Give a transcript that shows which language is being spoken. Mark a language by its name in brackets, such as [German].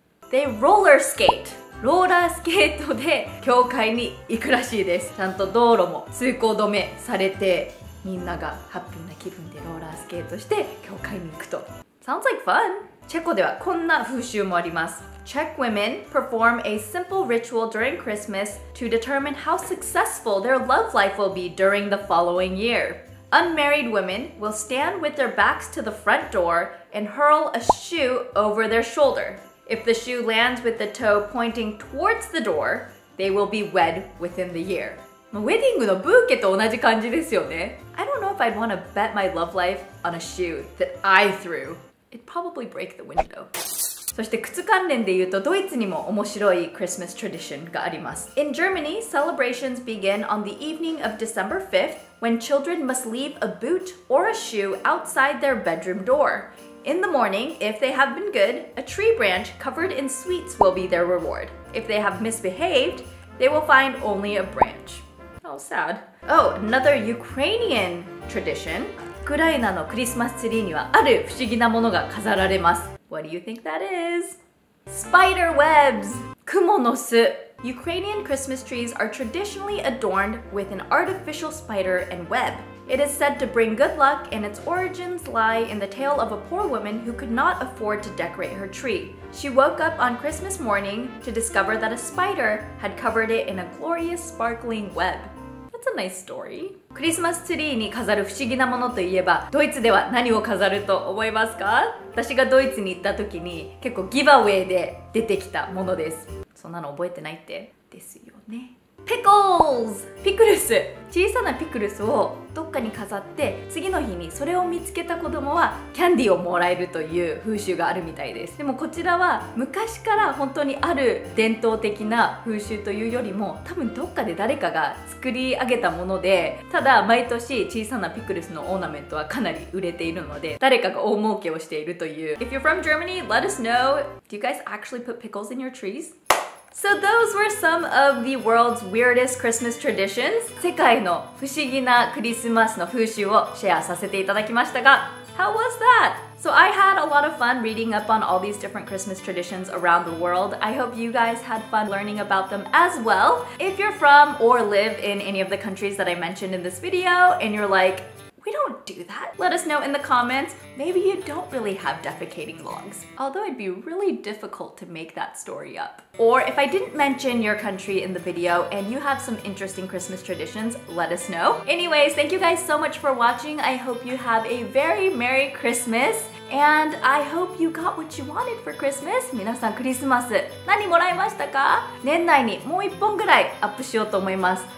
[English] They roller skate! [Japanese] ローラースケートで教会に行くらしいです。ちゃんと道路も通行止めされて、みんながハッピーな気分でローラースケートして教会に行くと。 [English] Sounds like fun! [Japanese] チェコではこんな風習もあります。 [English] Czech women perform a simple ritual during Christmas to determine how successful their love life will be during the following year. Unmarried women will stand with their backs to the front door and hurl a shoe over their shoulder. If the shoe lands with the toe pointing towards the door, they will be wed within the year. [Japanese] ウェディングのブーケと同じ感じですよね。 [English] I don't know if I'd want to bet my love life on a shoe that I threw. It'd probably break the window. [Japanese] そして靴関連で言うとドイツにも面白いクリスマストラディションがあります。 [English] In Germany, celebrations begin on the evening of December 5th when children must leave a boot or a shoe outside their bedroom door. In the morning, if they have been good, a tree branch covered in sweets will be their reward. If they have misbehaved, they will find only a branch. How sad. Oh, another Ukrainian tradition. [Japanese] ウクライナのクリスマスツリーにはある不思議なものが飾られます。 [English] What do you think that is? Spider webs! [Japanese] 蜘蛛の巣。 [English] Ukrainian Christmas trees are traditionally adorned with an artificial spider and web. It is said to bring good luck and its origins lie in the tale of a poor woman who could not afford to decorate her tree. She woke up on Christmas morning to discover that a spider had covered it in a glorious sparkling web. A nice、story. [Japanese] クリスマスツリーに飾る不思議なものといえば、ドイツでは何を飾ると思いますか？私がドイツに行った時に結構ギバウェイで出てきたものです。そんなの覚えてないってですよね。ピクルス、ピクルス、小さなピクルスをどっかに飾って、次の日にそれを見つけた子供はキャンディーをもらえるという風習があるみたいです。でもこちらは昔から本当にある伝統的な風習というよりも、多分どっかで誰かが作り上げたもので、ただ毎年小さなピクルスのオーナメントはかなり売れているので、誰かが大儲けをしているという。 [English] If you're from Germany, let us know. Do you guys actually put pickles in your trees? So those were some of the world's weirdest Christmas traditions. [Japanese] 世界の不思議なクリスマスの風習をシェアさせていただきましたが、 [English] How was that? So I had a lot of fun reading up on all these different Christmas traditions around the world. I hope you guys had fun learning about them as well. If you're from or live in any of the countries that I mentioned in this video and you're like, we don't do that, let us know in the comments. Maybe you don't really have defecating lungs. Although it'd be really difficult to make that story up. Or if I didn't mention your country in the video and you have some interesting Christmas traditions, let us know. Anyways, thank you guys so much for watching. I hope you have a very Merry Christmas. And I hope you got what you wanted for Christmas. [Japanese] 皆さん、クリスマス、何もらいましたか?年内にもう一本ぐらいアップしようと思います。